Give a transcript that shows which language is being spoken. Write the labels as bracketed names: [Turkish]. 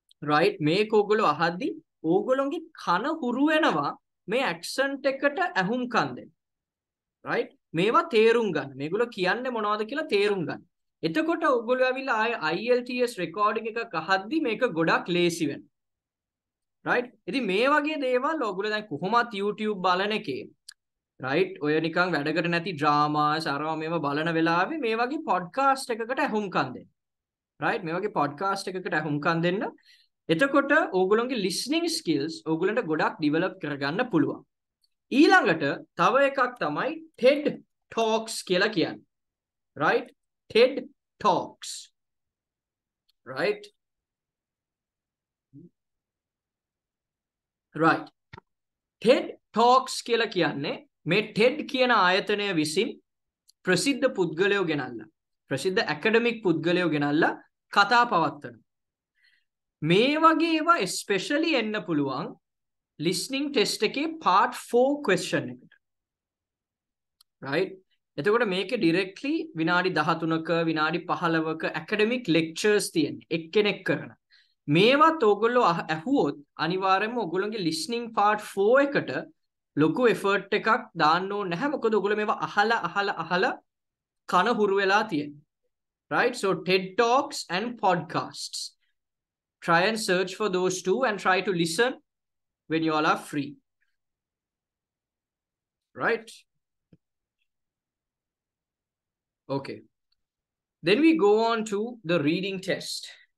[Sinhala] right මේක ඔයගොල්ලෝ අහද්දි ඕගොල්ලෝගේ කන හුරු වෙනවා මේ ඇක්සන්ට් එකට ඇහුම්කන් දෙන්න right මේවා තේරුම් ගන්න මේගොල්ලෝ කියන්නේ මොනවද කියලා තේරුම් ගන්න එතකොට ඔයගොල්ලෝ ඇවිල්ලා ආය IELTS recording එකක් අහද්දි මේක ගොඩක් ලේසි වෙනවා right ඉතින් මේ වගේ දේවල් ඔයගොල්ලෝ දැන් කොහොමත් YouTube බලන එකේ right ඔය නිකන් වැඩකට නැති dramas අරවා මේව බලන වෙලාවේ මේ වගේ podcast එකකට ඇහුම්කන් දෙන්න right මේ වගේ podcast එකකට ඇහුම්කන් දෙන්න එතකොට ඕගොල්ලන්ගේ listening skills ඕගොල්ලන්ට ගොඩක් develop කරගන්න පුළුවන්. ඊළඟට තව එකක් තමයි TED Talks කියලා කියන්නේ. [English] Right? TED Talks. Right? Right. [Sinhala] TED Talks කියලා කියන්නේ මේ TED කියන ආයතනය විසින් ප්‍රසිද්ධ පුද්ගලයෝ ගෙනල්ලා ප්‍රසිද්ධ ඇකඩමික් පුද්ගලයෝ ගෙනල්ල කතා පවත්වන. මේ වගේ ඒවා ස්පෙෂලි එන්න පුළුවන් ලිස්නිං ටෙස්ට එකේ පාට් 4 ක්වෙස්චන් එකට. එතකොට මේක ඩිරෙක්ට්ලි විනාඩි 13ක විනාඩි 15ක ඇකඩමික් ලෙක්චර්ස් තියෙන එක්කෙනෙක් කරන. මේවත් ඔගොල්ලෝ ඇහුවොත් අනිවාර්යයෙන්ම ඔගොල්ලොන්ගේ ලිස්නිං පාට් 4 එකට ලොකු එෆර්ට් එකක් දාන්න ඕනේ නැහැ. මොකද ඔගොල්ලෝ මේවා අහලා අහලා අහලා කන හුරු වෙලා තියෙන. [English] Right? So TED Talks and podcasts. Try and search for those two and try to listen when you all are free. Right? Okay. Then we go on to the reading test.